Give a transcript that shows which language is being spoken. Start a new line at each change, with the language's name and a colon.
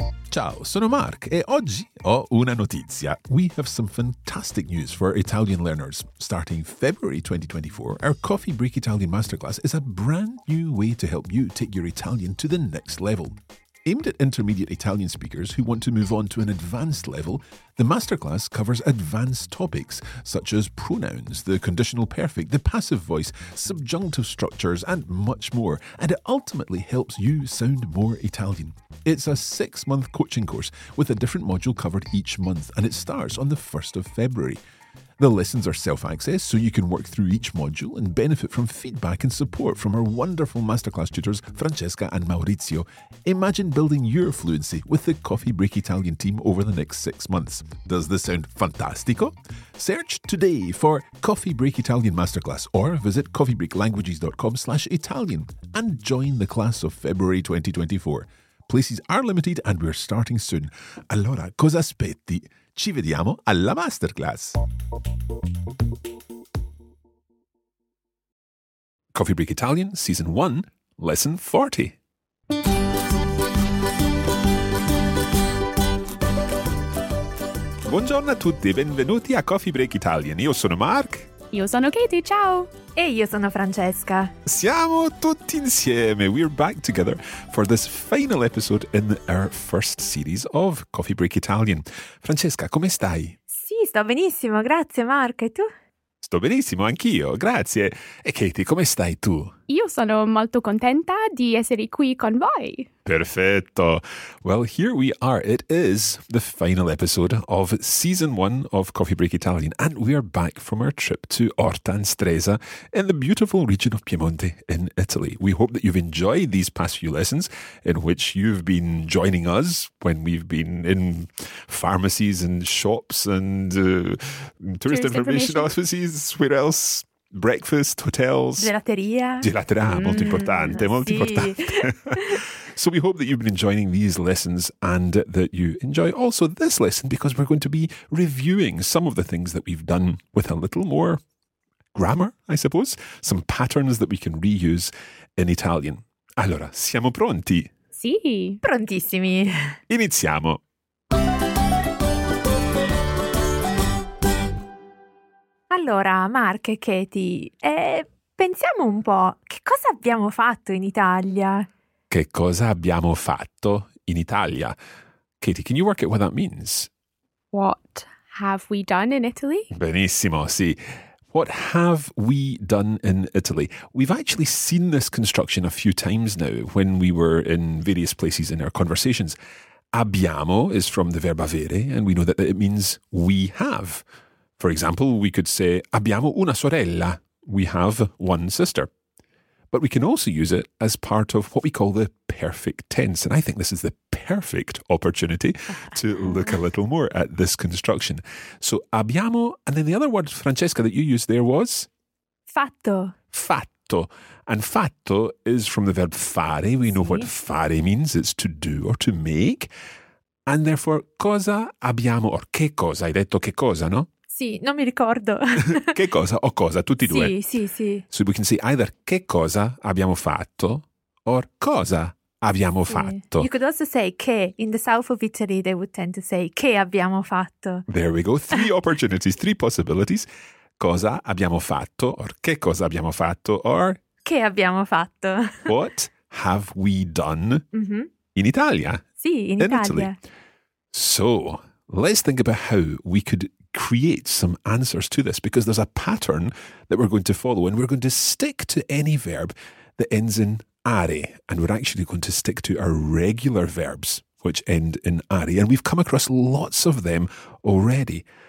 Italian: Ciao, sono Mark e oggi ho una notizia.
English: We have some fantastic news for Italian learners. Starting February 2024, our Coffee Break Italian Masterclass is a brand new way to help you take your Italian to the next level. Aimed at intermediate Italian speakers who want to move on to an advanced level, the masterclass covers advanced topics such as pronouns, the conditional perfect, the passive voice, subjunctive structures, and much more, and it ultimately helps you sound more Italian. It's a six-month coaching course with a different module covered each month, and it starts on the 1st of February. The lessons are self-access, so you can work through each module and benefit from feedback and support from our wonderful masterclass tutors, Francesca and Maurizio. Imagine building your fluency with the Coffee Break Italian team over the next 6 months. Does this sound fantastico? Search today for Coffee Break Italian Masterclass or visit coffeebreaklanguages.com/Italian and join the class of February 2024. Places are limited and we're starting soon.
Italian: Allora, cosa aspetti? Ci vediamo alla masterclass. Coffee Break Italian, Season 1, Lesson 40. Buongiorno a tutti, benvenuti a Coffee Break Italian. Io sono Mark. Io sono Katie, ciao. E io sono Francesca. Siamo tutti insieme.
English: We're back together for this final episode in our first series of Coffee Break Italian.
Italian: Francesca, come stai? Sì, sto benissimo. Grazie, Mark. E tu? Sto benissimo, anch'io. Grazie. E Katie, come stai tu? Io sono molto contenta di essere qui con voi.
English: Perfetto. Well, here we are. It is the final episode of season one of Coffee Break Italian. And we are back from our trip to Orta and Stresa in the beautiful region of Piemonte in Italy. We hope that you've enjoyed these past few lessons in which you've been joining us when we've been in pharmacies and shops and tourist information offices. Where else? Breakfast, hotels. Gelateria. Gelateria, molto importante, molto importante. So we hope that you've been enjoying these lessons and that you enjoy also this lesson because we're going to be reviewing some of the things that we've done with a little more grammar, I suppose, some patterns that we can reuse in Italian.
Italian: Allora, siamo pronti? Sì, prontissimi. Iniziamo. Allora, Mark e Katie, pensiamo un po', che cosa abbiamo fatto in Italia? Che cosa abbiamo fatto in Italia?
English: Katie, can you work out what that means? What have we done in Italy?
Italian: Benissimo, sì.
English: What have we done in Italy? We've actually seen this construction a few times now when we were in various places in our conversations. Abbiamo is from the verb avere, and we know that it means we have. For example, we could say,
Italian: abbiamo una sorella.
English: We have one sister. But we can also use it as part of what we call the perfect tense. And I think this is the perfect opportunity to look a little more at this construction. So, abbiamo, and then the other word, Francesca, that you used there was? Fatto. Fatto. And fatto is from the verb fare. We know what fare means. It's to do or to make. And therefore,
Italian: cosa abbiamo, or che cosa? Hai detto che cosa, no? Sì, non mi ricordo. Che cosa o cosa, tutti sì, due. Sì, sì, sì.
English: So we can say either
Italian: che cosa abbiamo fatto
English: or
Italian: cosa abbiamo fatto.
English: You could also say che. In the south of Italy, they would tend to say
Italian: che abbiamo fatto.
English: There we go. Three opportunities, three possibilities.
Italian: Cosa abbiamo fatto or che cosa abbiamo fatto or... Che abbiamo fatto.
English: What have we done in Italia?
Italian: Sì, in Italia.
English: Italy. So, let's think about how we could create some answers to this because there's a pattern that we're going to follow and we're going to stick to any verb that ends in are and we're actually going to stick to our regular verbs which end in are and we've come across lots of them already.